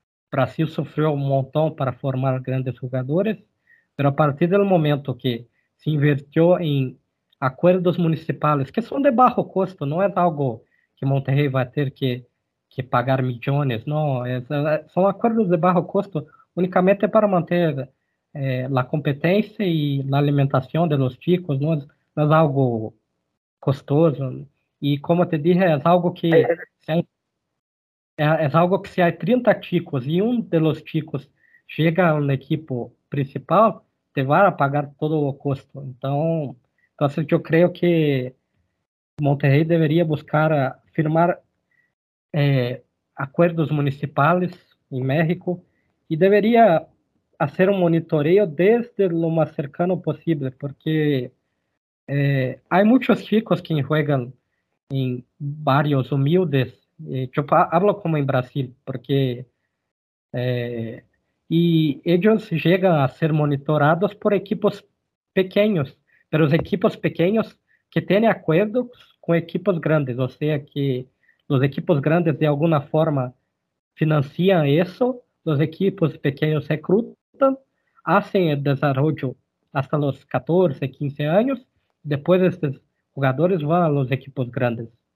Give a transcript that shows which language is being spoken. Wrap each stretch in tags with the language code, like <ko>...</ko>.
<es>Brasil sufrió un montón para formar grandes jugadores, pero a partir del momento que se invirtió en acuerdos municipales, que son de bajo costo, no es algo que Monterrey va a tener que pagar millones, no, son acuerdos de bajo costo, únicamente para mantener la competencia y la alimentación de los chicos, no es algo costoso, y como te dije, es algo que se</es> <pt>É algo que se há 30 chicos e um dos chicos chega no equipo principal, te vai pagar todo o custo. Então, assim, eu creio que Monterrey deveria buscar firmar acordos municipais em México e deveria fazer um monitoreio desde o mais cercano possível, porque há muitos chicos que jogam em bairros humildes.</pt> <es>Yo hablo como en Brasil, porque y ellos llegan a ser monitorados por equipos pequeños, pero los equipos pequeños que tienen acuerdos con equipos grandes, o sea que los equipos grandes de alguna forma financian eso, los equipos pequeños reclutan, hacen el desarrollo hasta los 14, 15 años, después estos jugadores van a los equipos grandes.</es>